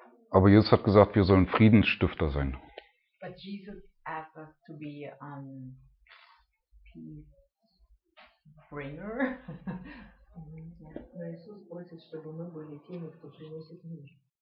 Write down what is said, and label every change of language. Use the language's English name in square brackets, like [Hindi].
[German] Aber Jesus hat gesagt, wir sollen Friedensstifter sein. [English] But Jesus asked us to be peace bringer. [German] Jesus wollte, dass wir die Menschen, die Frieden bringen.